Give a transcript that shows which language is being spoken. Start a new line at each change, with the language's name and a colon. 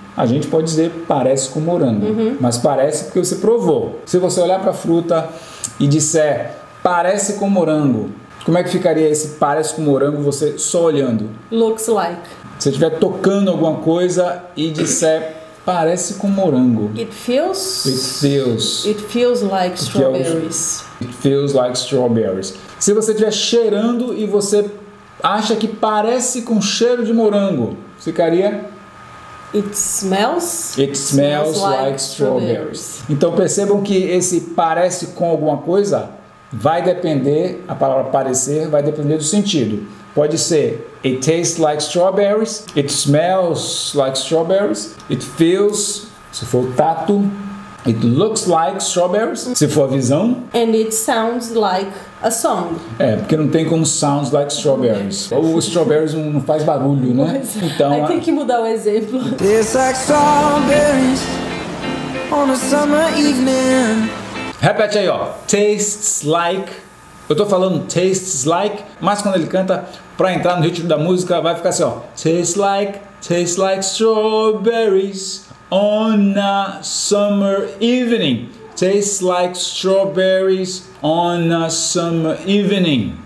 Portuguese: A gente pode dizer parece com morango, mas parece porque você provou. Se você olhar para a fruta e disser parece com morango, como é que ficaria esse parece com morango você só olhando?
English: Looks like.
Portuguese: Se você estiver tocando alguma coisa e disser parece com morango.
English: It feels. It feels like strawberries. It feels like strawberries.
Portuguese: Se você estiver cheirando e você acha que parece com cheiro de morango, ficaria...
English: It smells like strawberries.
Portuguese: Então percebam que esse parece com alguma coisa vai depender, a palavra parecer vai depender do sentido. Pode ser
English: it tastes like strawberries, it smells like strawberries, it feels,
Portuguese: se for tato,
English: It looks like strawberries,
Portuguese: se for a visão.
English: And it sounds like a song.
Portuguese: É, porque não tem como
English: sounds like strawberries.
Portuguese: Ou strawberries não faz barulho, né? Então, aí tem que mudar o exemplo.
English: It's like strawberries on a summer evening.
Portuguese: Repete aí, ó.
English: Tastes like...
Portuguese: Eu tô falando tastes like, mas quando ele canta, pra entrar no ritmo da música, vai ficar assim, ó.
English: Tastes like strawberries. On a summer evening. Tastes like strawberries on a summer evening.